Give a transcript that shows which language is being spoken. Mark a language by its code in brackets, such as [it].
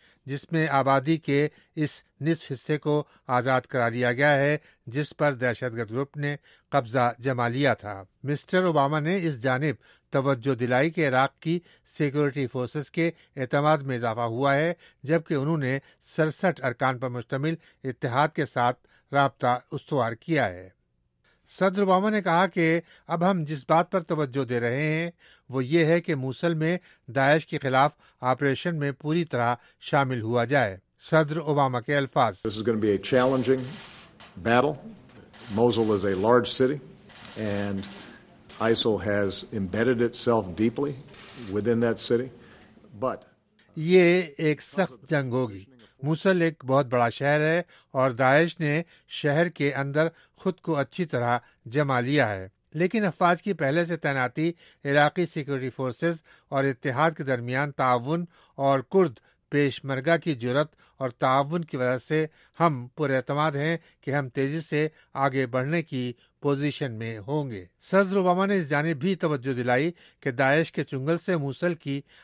[ur] جس میں آبادی کے اس نصف حصے کو آزاد کرا لیا گیا ہے جس پر دہشت گرد گروپ نے قبضہ جما لیا تھا۔ مسٹر اوباما نے اس جانب توجہ دلائی کہ عراق کی سیکورٹی فورسز کے اعتماد میں اضافہ ہوا ہے، جبکہ انہوں نے 67 ارکان پر مشتمل اتحاد کے ساتھ رابطہ استوار کیا ہے۔ صدر اوباما نے کہا کہ اب ہم جس بات پر توجہ دے رہے ہیں وہ یہ ہے کہ موصل میں داعش کے خلاف آپریشن میں پوری طرح شامل ہوا جائے۔ صدر اوباما کے الفاظ، [en] This is going to be a challenging battle. Mosul is a large city and ISIL has embedded itself deeply within that city. But [ur] یہ ایک سخت جنگ ہوگی۔ موصل ایک بہت بڑا شہر ہے اور داعش نے شہر کے اندر خود کو اچھی طرح جمع لیا ہے، لیکن افواج کی پہلے سے تعیناتی عراقی سیکورٹی فورسز اور اتحاد کے درمیان تعاون اور کرد پیشمرگا کی جرات اور تعاون کی وجہ سے ہم پراعتماد ہیں کہ ہم تیزی سے آگے بڑھنے کی پوزیشن میں ہوں گے۔ صدر اوباما نے اس جانب بھی توجہ دلائی کہ داعش کے چنگل سے موصل کی